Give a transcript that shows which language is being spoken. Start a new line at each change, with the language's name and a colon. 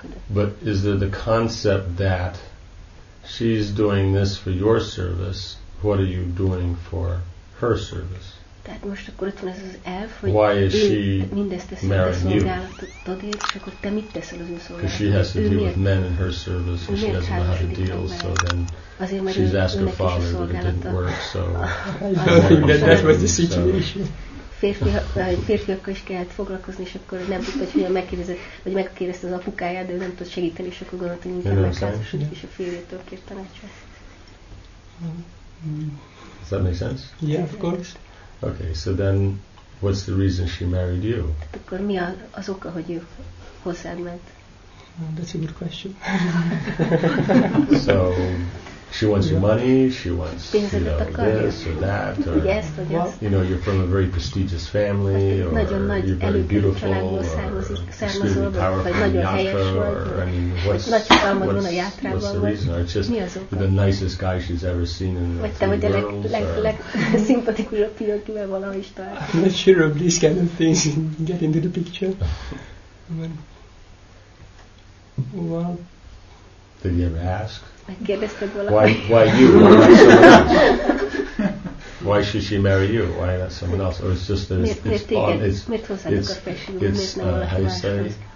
English: but is there the concept that she's doing this for your service? What are you doing for her service?
Hungarian: Tehát most akkor ott van ez az elf, hogy
English: why is she
Hungarian: mindezt teszi a szolgálatodért, és akkor te mit teszel az ő szolgálatodért?
English: She has to deal with men in her service, and she doesn't know how to deal, so then she's asked her father, but it didn't work, so... That was the situation.
Hungarian: Férfiakkal is kellett foglalkozni, és akkor nem tudta, hogy hogyan megkérdezte az apukáját, de ő nem tud segíteni, és akkor gondolta, hogy inkább megkérdezni, és a férjétől kért tanácsot.
English: Does that make sense? Yeah, of course. Okay, so then, what's the reason she married you?
Hungarian: Akkor mi az oka, hogy ő hozzád ment?
English: That's a good question. So, she wants your money, she wants, you know, this or that, or, you know, you're from a very prestigious family, or you're very beautiful, or extremely powerful in Yatra, or, I mean, what's the reason? Or it's just the nicest guy she's ever seen in the three girls, or... I'm not sure of these kind of things get into the picture. Well... Did you ever ask?
Hungarian: Megkérdezted valamit?
English: Why you? Why not someone else? Why should she marry you? Why not someone else? Or it's just that it's
Hungarian: miért hozzád akar felsőgni? Miért nem valaki máshoz?